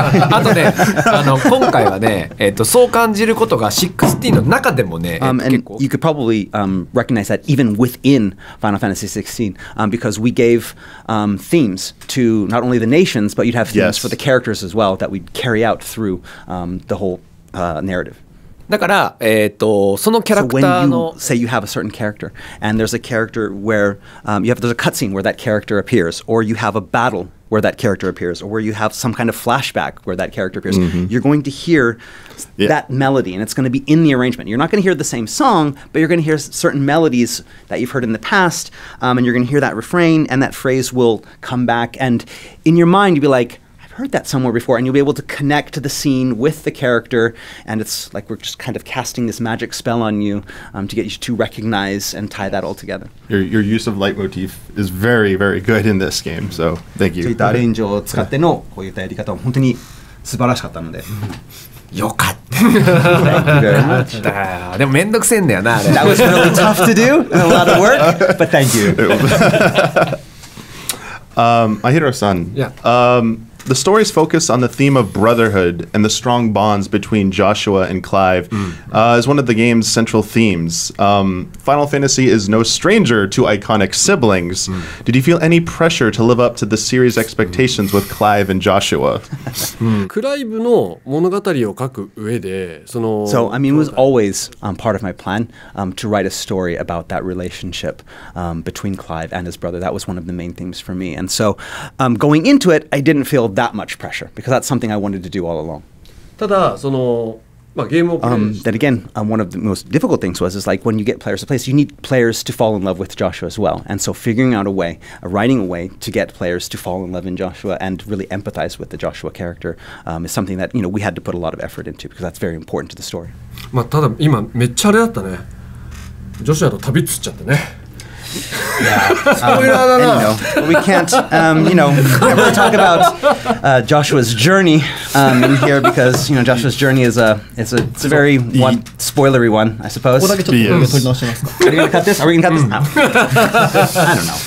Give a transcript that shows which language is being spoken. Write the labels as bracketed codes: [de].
[ja] あとね、今回はね、そう感じることが16の中でもね、 [en] And you could probably recognize that even within Final Fantasy 16, because we gave themes to not only the nations, but you'd have themes for the characters as well that we'd carry out through the whole narrative. [ja] だから、そのキャラクターの [en] So when you say you have a certain character, and there's a character where, there's a cutscene where that character appears, or you have a battle where that character appears, or where you have some kind of flashback where that character appears, mm-hmm. you're going to hear that melody, and it's going to be in the arrangement. You're not going to hear the same song, but you're going to hear certain melodies that you've heard in the past, and you're going to hear that refrain, and that phrase will come back. And in your mind, you'll be like, I've heard that somewhere before, and you'll be able to connect to the scene with the character, and it's like we're just kind of casting this magic spell on you to get you to recognize and tie that all together. Your use of leitmotif is very, very good in this game, so thank you. [ja] アレンジを使ってのこういったやり方は本当に素晴らしかったので。よかった。でもめんどくせんだよな、あれ。 [en] That was really tough to do, a lot of work, but thank you. Maehiro-san. Yeah. The story's focus on the theme of brotherhood and the strong bonds between Joshua and Clive is one of the game's central themes. Final Fantasy is no stranger to iconic siblings. Mm. Did you feel any pressure to live up to the series' expectations with Clive and Joshua? It was always part of my plan to write a story about that relationship between Clive and his brother. That was one of the main themes for me. And so going into it, I didn't feel that much pressure, because that's something I wanted to do all along. One of the most difficult things was, is like when you get players to play, so you need players to fall in love with Joshua as well. And so figuring out a way to get players to fall in love in Joshua and really empathize with the Joshua character is something that, you know, we had to put a lot of effort into, because that's very important to the story. [ja] ただ今めっちゃあれだったね。ジョシュアと旅つっちゃってね。 [en] Yeah. Anyway, we can't, you know, never talk about Joshua's journey in here because, you know, Joshua's journey is a very one spoilery one, I suppose. Yes. Are we going to cut this? I don't know.